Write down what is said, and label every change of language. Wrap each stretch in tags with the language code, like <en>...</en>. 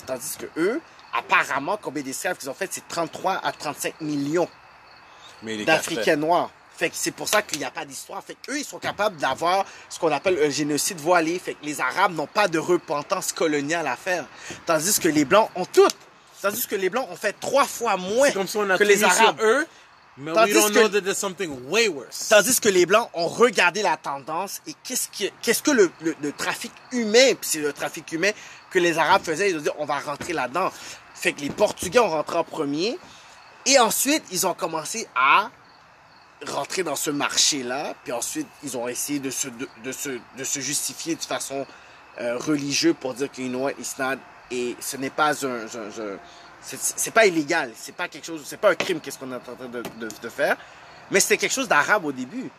<fr>Tandis que eux, apparemment, combien d'esclaves qu'ils ont fait, c'est 33 à 35 millions d'Africains noirs. Fait que c'est pour ça qu'il n'y a pas d'histoire. Fait qu'eux, ils sont capables d'avoir ce qu'on appelle un génocide voilé. Fait que les Arabes n'ont pas de repentance coloniale à faire. Tandis que les Blancs ont tout. Tandis que les Blancs ont fait trois fois moins que les Arabes. C'est comme si on a tout mis sur eux, mais tandis</fr> <en>we don't know that there's something way worse.</en> <fr>Tandis que les Blancs ont regardé la tendance et qu'est-ce que le trafic humain, puis c'est le trafic humain que les Arabes faisaient, ils ont dit on va rentrer là-dedans. Fait que les Portugais ont rentré en premier et ensuite ils ont commencé à rentrer dans ce marché-là, puis ensuite ils ont essayé de se justifier de façon religieuse pour dire qu'une loi islam et ce n'est pas un c'est pas illégal, c'est pas quelque chose, c'est pas un crime qu'est-ce qu'on est en train de faire, mais c'était quelque chose d'arabe au début.</fr>